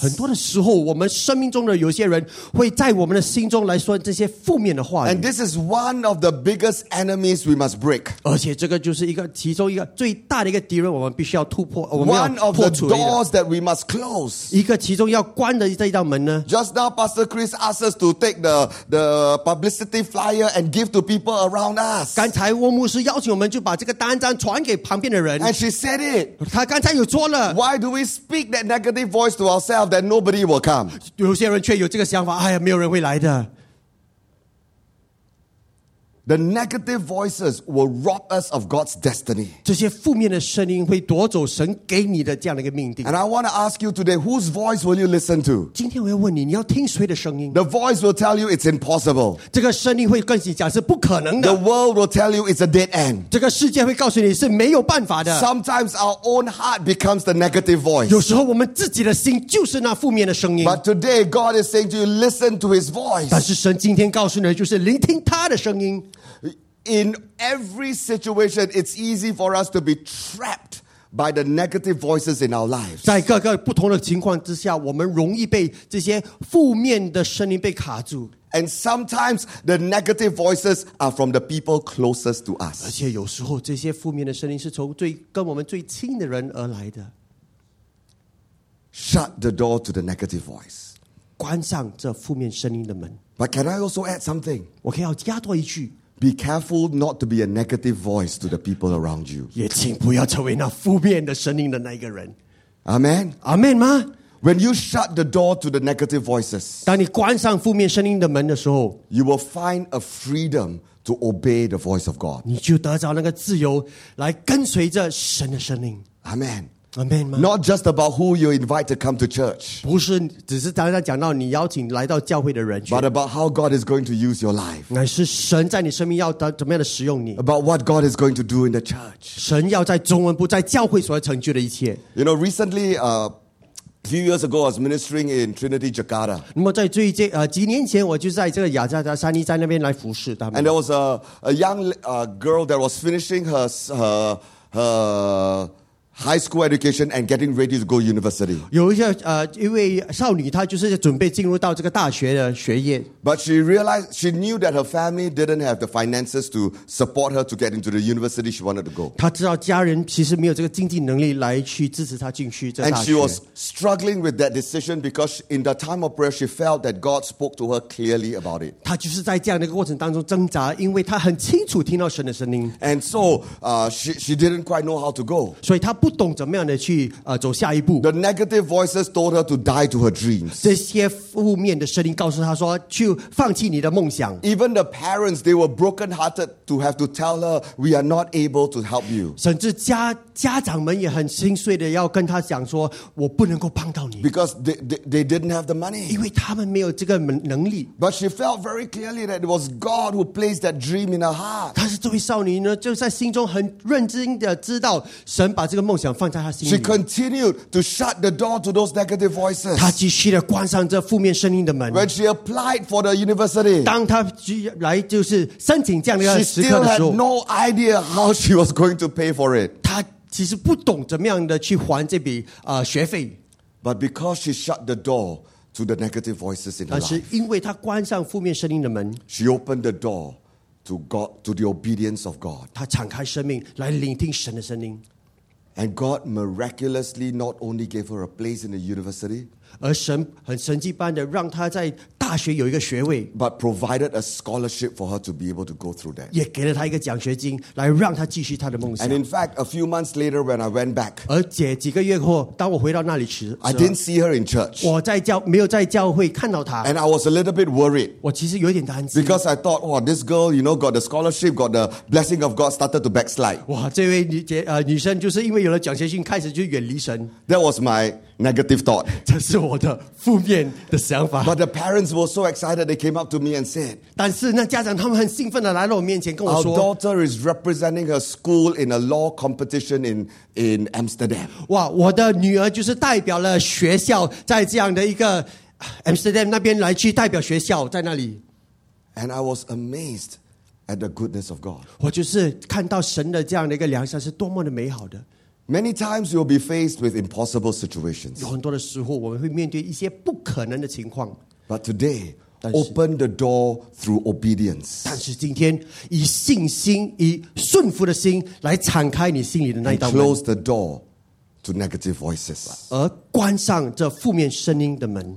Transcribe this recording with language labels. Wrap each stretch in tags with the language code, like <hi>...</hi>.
<zh>很多的时候，我们生命中的有些人会在我们的心中来说断这些负面的话语。</zh> <en>And this is one of the biggest enemies we must break.</en> <zh>而且这个就是一个其中一个最大的一个敌人，我们必须要突破，我们要破除</zh> <en>的。One of the doors that we must close.</en> <zh>一个其中要关的这一道门呢</zh> <en>？Just now, Pastor Chris asked us to take the publicity flyer and give to people around us.</en> <zh>刚才翁牧师邀请我们就把这个单张传给旁边的人。</zh> <en>And she said it.</en> <zh>她刚才有说了。</zh> <en>Why do we speak that negative voice to ourselves that nobody will come?</en> <zh>有些人却有这个想法，哎呀，没有人会来的。</zh> <en>The negative voices will rob us of God's destiny.</en> <zh>这些负面的声音会夺走神给你的这样的一个命定。</zh> <en>And I want to ask you today, whose voice will you listen to?</en> <zh>今天我要问你，你要听谁的声音？</zh> <en>The voice will tell you it's impossible.</en> <zh>这个声音会跟你讲是不可能的。</zh> <en>The world will tell you it's a dead end.</en> <zh>这个世界会告诉你是没有办法的。</zh> <en>Sometimes our own heart becomes the negative voice.</en> <zh>有时候我们自己的心就是那负面的声音。</zh> <en>But today God is saying to you, listen to His voice.</en> <zh>但是神今天告诉你的就是聆听他的声音。</zh> <en>In every situation, it's easy for us to be trapped by the negative voices in our lives.</en> <zh>在各个不同的情况之下，我们容易被这些负面的声音被卡住。</zh> <en>And sometimes the negative voices are from the people closest to us.</en> <zh>而且有时候这些负面的声音是从最跟我们最亲的人而来的。</zh> <en>Shut the door to the negative voice.</en> <zh>关上这负面声音的门。</zh> <en>But can I also add something?</en> <zh>我可以要加多一句。</zh> <en>Be careful not to be a negative voice to the people around you.</en> <zh>也请不要成为那负面的声音的那一个人。</zh> <en>Amen.</en> <zh>Amen 吗？</zh> <en>When you shut the door to the negative voices,</en> <zh>当你关上负面声音的门的时候，</zh> <en>you will find a freedom to obey the voice of God.</en> <zh>你就得着那个自由来跟随着神的声音。</zh> <en>Amen.</en> <zh>Amen 吗？</zh> <en>Not just about who you invite to come to church.</en> <zh>不是只是单单讲到你邀请来到教会的人去。</zh> <en>But about how God is going to use your life.</en> <zh>乃是神在你生命要怎么样的使用你。</zh> <en>About what God is going to do in the church.</en> <zh>神要在中文部在教会所要成就的一切。</zh> <en>You know, recently, few years ago, I was ministering in Trinity, Jakarta.</en> <zh>那么在最近几年前，我就在这个雅加达山地在那边来服侍他们。</zh> <en>And there was a young girl that was finishing her high school education and getting ready to go university.</en> <zh>有一些一位少女，她就是准备进入到这个大学的学业。</zh> <en>But she realized she knew that her family didn't have the finances to support her to get into the university she wanted to go.</en> <zh>她知道家人其实没有这个经济能力来去支持她进去这大学。</zh> <en>And she was struggling with that decision because in the time of prayer she felt that God spoke to her clearly about it.</en> <zh>她就是在这样的一个过程当中挣扎，因为她很清楚听到神的声音。</zh> <en>And so, she didn't quite know how to go.</en> <zh>所以她不懂怎么样的去走下一步。</zh> <en>The negative voices told her to die to her dreams.</en> <zh>这些负面的声音告诉她说去放弃你的梦想。</zh> <en>Even the parents, they were broken hearted to have to tell her, we are not able to help you.</en> <zh>甚至家长们也很心碎的要跟她讲说我不能够帮到你。</zh> <en>Because they didn't have the money.</en> <zh>因为他们没有这个能力。</zh> <en>But she felt very clearly that it was God who placed that dream in her heart.</en> <zh>但是这位少女呢就在心中很认真的知道神把这个梦想放在他心里。</zh> <en>She continued to shut the door to those negative voices.</en> <zh>她继续的关上这负面声音的门。</zh> <en>When she applied for the university,</en> <zh>当她来就是申请这样的一个时刻的时候，</zh> <en>she still had no idea how she was going to pay for it.</en> <zh>她其实不懂怎么样的去还这笔学费。</zh> <en>But because she shut the door to the negative voices in her life,</en> <zh>但是因为她关上负面声音的门，</zh> <en>she opened the door to God, to the obedience of God.</en> <zh>她敞开生命来聆听神的声音。</zh> <en>And God miraculously not only gave her a place in the university,</en> <zh>而神很神迹般的让她在大学有一个学位，</zh> <en>but provided a scholarship for her to be able to go through that.</en> <zh>也给了她一个奖学金来让她继续她的梦想。</zh> <en>And in fact, a few months later when I went back,</en> <zh>而且几个月后当我回到那里时，</zh> <en>I didn't see her in church.</en> <zh>我在教没有在教会看到她。</zh> <en>And I was a little bit worried.</en> <zh>我其实有点担心。</zh> <en>Because I thought, oh, this girl, you know, got the scholarship, got the blessing of God, started to backslide.</en> <zh>哇，这位女生就是因为有了奖学金开始就远离神。</zh> <en>That was my negative thought.</en> <zh>这是我的负面的想法。</zh> <en>But the parents were so excited, they came up to me and said,</en> <zh>但是那家长他们很兴奋地来到我面前跟我说，</zh> <en>Our daughter is representing her school in a law competition in Amsterdam.</en> <zh>哇，我的女儿就是代表了学校在这样的一个 Amsterdam 那边来去代表学校在那里。</zh> <en>And I was amazed at the goodness of God.</en> <zh>我就是看到神的这样的一个良善是多么的美好的。</zh> <en>Many times you'll be faced with impossible situations.</en> <zh>有很多的时候我们会面对一些不可能的情况。</zh> <en>But today, Open the door through obedience.</en> <zh>但是今天以信心以顺服的心来敞开你心里的那一道门。</zh> <en>Close the door to negative voices.</en> <zh>而关上这负面声音的门。</zh>